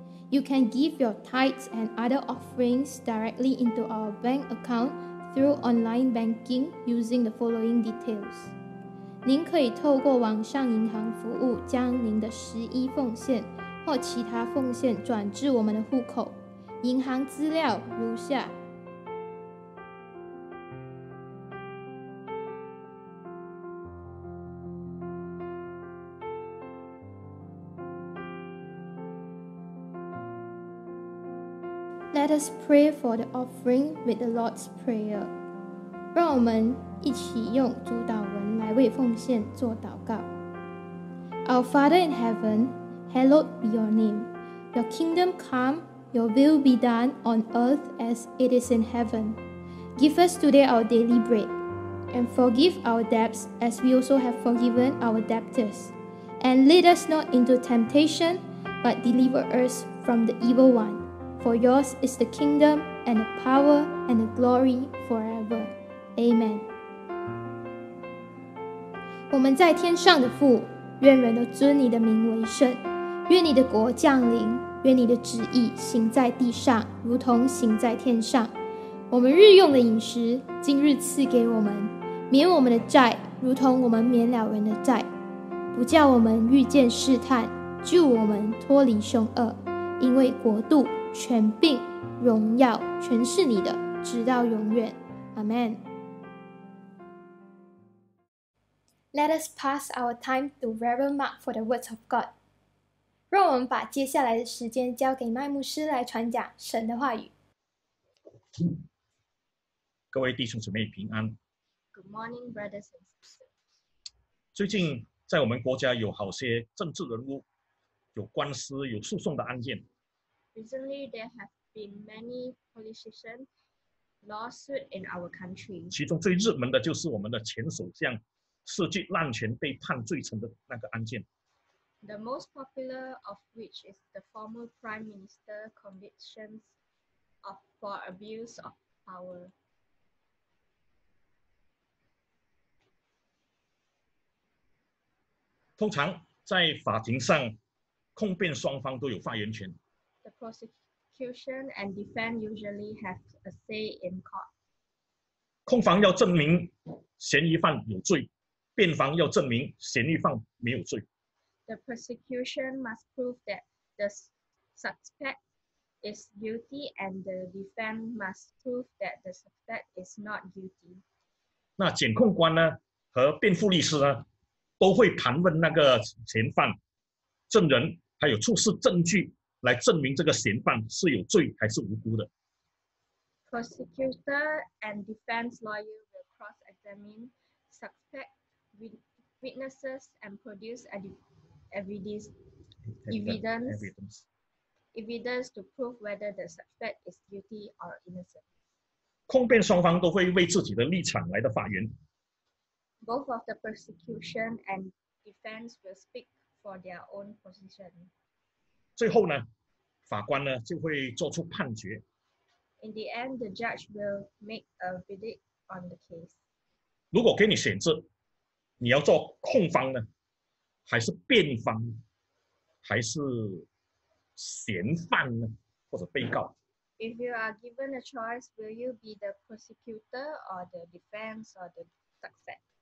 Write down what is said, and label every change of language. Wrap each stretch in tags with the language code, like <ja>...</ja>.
<en>You can give your tithes and other offerings directly into our bank account through online banking using the following details.</en> <zh>您可以透过网上银行服务将您的十一奉献或其他奉献转至我们的户口。银行资料如下。</zh> <en>Let us pray for the offering with the Lord's Prayer.</en> <zh>让我们一起用主祷文来为奉献做祷告。</zh> <en>Our Father in heaven, hallowed be your name. Your kingdom come, your will be done on earth as it is in heaven. Give us today our daily bread. And forgive our debts as we also have forgiven our debtors. And lead us not into temptation, but deliver us from the evil one. For yours is the kingdom and the power and the glory forever. Amen.</en> <zh>我们在天上的父，愿人都尊你的名为圣。愿你的国降临，愿你的旨意行在地上，如同行在天上。我们日用的饮食，今日赐给我们。免我们的债，如同我们免了人的债。不叫我们遇见试探，救我们脱离凶恶。因为国度权柄荣耀全是你的，直到永远。</zh> <en>Amen. Let us pass our time to Reverend Mark for the words of God.</en> <zh>让我们把接下来的时间交给麦牧师来传讲神的话语。各位弟兄姊妹平安。</zh> <en>Good morning, brothers and sisters.</en> <zh>最近在我们国家有好些政治人物，有官司，有诉讼的案件。</zh> <en>Recently, there have been many politicians lawsuit in our country.</en> <zh>其中最热门的就是我们的前首相涉及滥权被判罪成的那个案件。</zh> <en>The most popular of which is the former prime minister convictions of for abuse of power.</en> <zh>通常在法庭上，控辩双方都有发言权。</zh> <en>The prosecution and defense usually have a say in court.</en> <zh>控方要证明嫌疑犯有罪，辩方要证明嫌疑犯没有罪。</zh> <en>The prosecution must prove that the suspect is guilty and the defense must prove that the suspect is not guilty.</en> <zh>那检控官呢和辩护律师呢都会盘问那个嫌犯、证人还有出示证据。来证明这个嫌犯是有罪还是无辜的。</zh> <en>Prosecutor and defense lawyer will cross-examine suspect witnesses and produce evidence to prove whether the suspect is guilty or innocent.</en> <zh>控辩双方都会为自己的立场来到法院。</zh> <en>Both of the prosecution and defense will speak for their own position.</en> <zh>最后呢？法官呢就会做出判决。</zh> <en>In the end, the judge will make a verdict on the case.</en> <zh>如果给你选择，你要做控方呢，还是辩方，还是嫌犯呢，或者被告</zh> <en>？If you are given a choice, will you be the prosecutor or the defense or the suspect?</en>